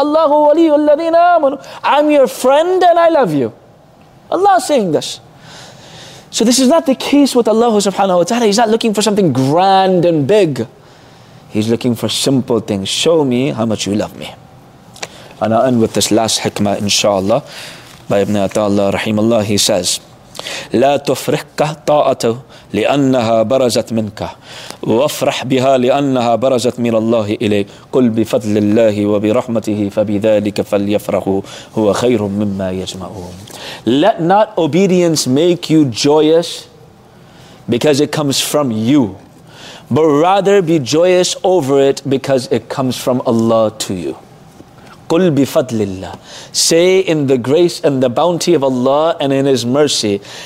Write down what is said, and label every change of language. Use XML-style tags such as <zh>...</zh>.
<en>Allahu waliyyu alladhina amanu. I'm your friend and I love you. Allah is saying this. So this is not the case with Allah subhanahu wa ta'ala. He's not looking for something grand and big. He's looking for simple things. Show me how much you love me. And I'll end with this last hikmah, inshallah, by Ibn Atallah rahimahullah. He says,</en> <ar>لا تفرحك طاعته لأنها برزت منك وافرح بها لأنها برزت من الله إليك قل بفضل الله وبرحمته فبذلك فليفرحوا هو خير مما يجمعون.</ar> <en>Let not obedience make you joyous because it comes from you, but rather be joyous over it because it comes from Allah to you.</en> <ar>قُلْ بِفَضْلِ اللَّهِ,</ar> <en>say in the grace and the bounty of Allah and in His mercy.</en>